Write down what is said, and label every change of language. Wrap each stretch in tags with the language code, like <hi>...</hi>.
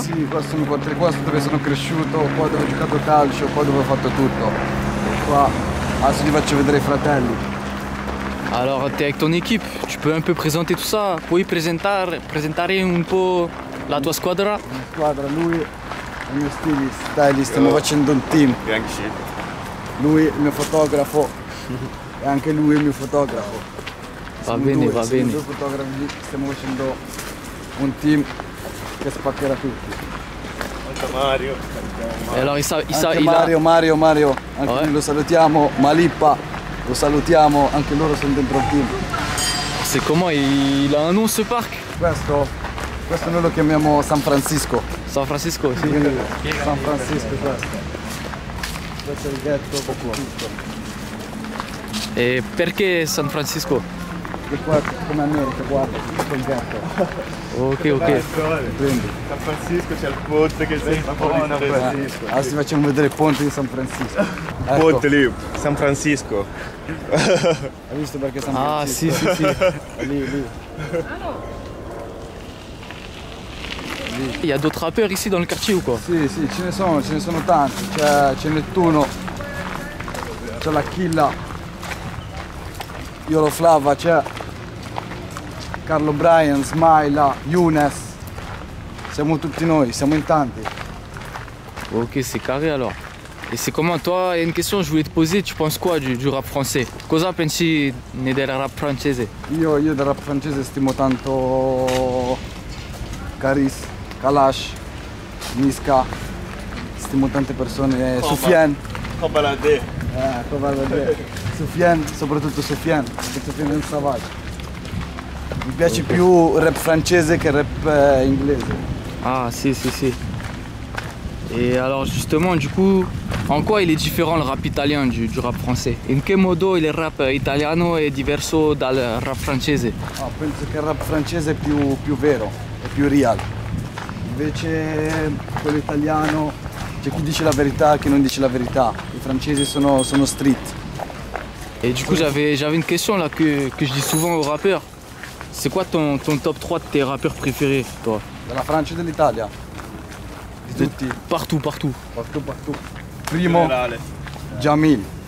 <it>Sì, qua sono quartiere, qua dove sono cresciuto, qua dove ho giocato calcio, qua dove ho fatto tutto. Qua, adesso ti faccio vedere i fratelli.</it> <fr>Alors, t'es avec ton équipe, tu peux un peu présenter tout ça?</fr> <it>Puoi presentare un po' la tua squadra? La squadra, lui è il mio stylist, stiamo facendo un team. Bianchi. Lui è il mio fotografo, e anche lui è il mio fotografo. Va bene. Siamo due fotografi, stiamo facendo un team che spaccherà tutti. Anche Mario, anche noi lo salutiamo, Malippa. Lo salutiamo, anche loro sono dentro il team.</it> <fr>C'est comment il a un nom ce parc?</fr> <it>Questo noi lo chiamiamo San Francisco. San Francisco, sì. Quindi, San Francisco, questo è il ghetto, tutto. E perché San Francisco? Che qua come America, guarda, questo è il ghetto. Ok. Quindi. San Francisco c'è il ponte che sei un po' di San Francisco. Adesso allora, ti facciamo vedere il ponte di San Francisco. Ecco. Ponte lì, San Francisco. Hai visto perché San Francisco? Ah, sì. Lì.</it> <fr>Il y a d'autres rappeurs ici dans le quartier ou quoi?</fr> <it>Sì, ce ne sono tanti. C'è Nettuno, c'è la Killa, Yolo Flava, c'è Carlo Brian, Smaila, Younes. Siamo tutti noi, siamo in tanti.</it> <fr>Ok, c'est carré alors. Et c'est comment toi, il y a une question que je voulais te poser, tu penses quoi du rap français?</fr> <it>Cosa pensi del rap francese? Io del rap francese stimo tanto Caris, Kalash, Niska, stimo tante persone, Soufiane. Kobalade. Kobalade. Soufiane, soprattutto Soufiane, perché Soufiane è un savage. Mi piace più il rap francese che il rap inglese. Ah, sì.</it> <fr>Et alors justement, du coup, en quoi il est différent le rap italien du rap français?</fr> <it>In che modo il rap italiano è diverso dal rap francese? Ah, penso che il rap francese è più vero, è più real. Invece quello italiano, c'è chi dice la verità e chi non dice la verità. I francesi sono street.</it> <fr>Et du coup, j'avais une question là que je dis souvent aux rappeurs. C'est quoi ton top 3 de tes rappeurs préférés, toi? De la France ou de l'Italia?</fr> <it>Tutti.</it> <fr>Partout. Partout.</fr> <it>Primo, Jamil.</it>